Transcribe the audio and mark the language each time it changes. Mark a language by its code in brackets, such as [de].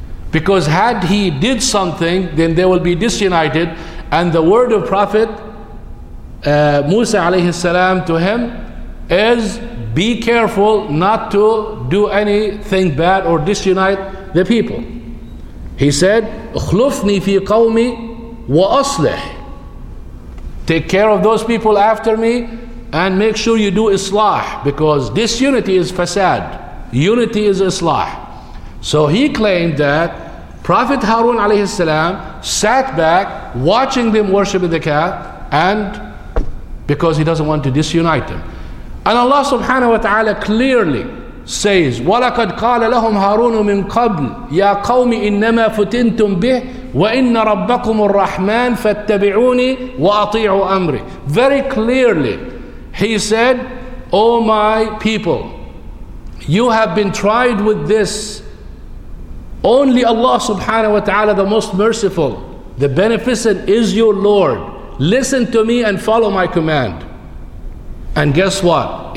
[en] Because had he did something, then they will be disunited. And the word of Prophet Musa alayhi salam to him is, be careful not to do anything bad or disunite the people. He said, [ar] اخلفني في قومي وأصلح. [en] Take care of those people after me and make sure you do islah, because disunity is fasad. Unity is islah. So he claimed that Prophet Harun alayhi salam sat back watching them worship the calf, and because he doesn't want to disunite them. And Allah subhanahu wa ta'ala clearly says, [ar] وَلَقَدْ قَالَ لَهُمْ هَارُونُ مِنْ قَبْلُ يَا قَوْمِ إِنَّمَا فُتِنْتُمْ بِهِ وَإِنَّ رَبَّكُمُ الرَّحْمَانِ فَاتَّبِعُونِي وَأَطِيعُوا أَمْرِي. [en] Very clearly, he said, oh my people, you have been tried with this. Only Allah subhanahu wa ta'ala, the most merciful, the beneficent, is your Lord. Listen to me and follow my command. And guess what?